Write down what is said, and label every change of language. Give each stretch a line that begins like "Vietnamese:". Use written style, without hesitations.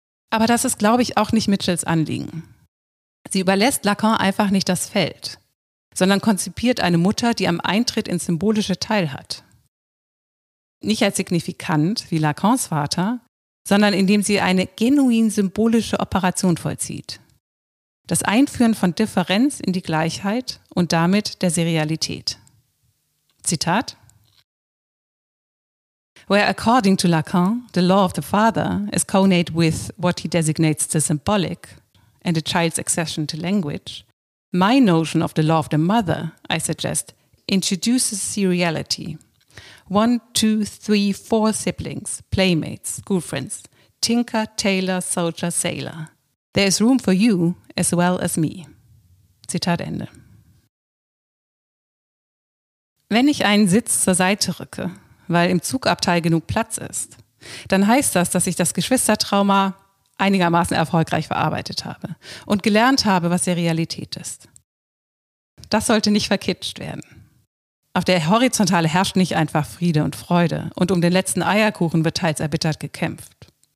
German: Aber das ist, glaube ich, auch nicht Mitchells Anliegen. Sie überlässt Lacan einfach nicht das Feld, sondern konzipiert eine Mutter, die am Eintritt ins Symbolische teilhat. Nicht als signifikant wie Lacans Vater, sondern indem sie eine genuin symbolische Operation vollzieht. Das Einführen von Differenz in die Gleichheit und damit der Serialität. Zitat:
English: Where according to Lacan, the law of the father is cognate with what he designates the symbolic, and a child's accession to language, my notion of the law of the mother, I suggest, introduces seriality. One, two, three, four siblings, playmates, school friends, tinker, tailor, soldier, sailor. There is room for you as well as me.
German: Zitat Ende. Wenn ich einen Sitz zur Seite rücke, weil im Zugabteil genug Platz ist, dann heißt das, dass ich das Geschwistertrauma einigermaßen erfolgreich verarbeitet habe und gelernt habe, was Serialität ist. Das sollte nicht verkitscht werden. Auf der Horizontale herrscht nicht einfach Friede und Freude und um den letzten Eierkuchen wird teils erbittert gekämpft.